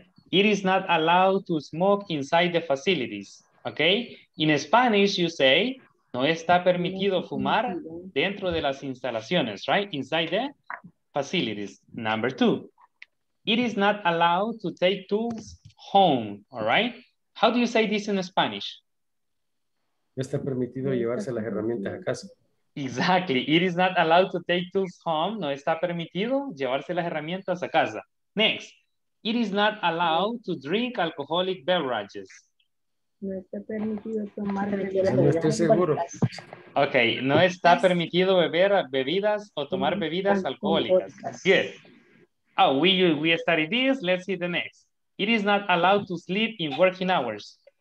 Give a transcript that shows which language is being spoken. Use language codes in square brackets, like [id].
[en] It is not allowed to smoke inside the facilities, okay? In Spanish, you say, [es] No está permitido fumar dentro de las instalaciones, right? [en] Inside the facilities. Number two. It is not allowed to take tools home, all right? How do you say this in Spanish? [es] No está permitido llevarse las herramientas a casa. [en] Exactly. It is not allowed to take tools home. [es] No está permitido llevarse las herramientas a casa. [en] Next. It is not allowed to drink alcoholic beverages. [es] No está permitido tomar bebidas. No estoy seguro. Ok, no está permitido beber bebidas o tomar bebidas alcohólicas. [en] Good. Oh, we studied this. Let's see the next. It is not allowed to sleep in working hours.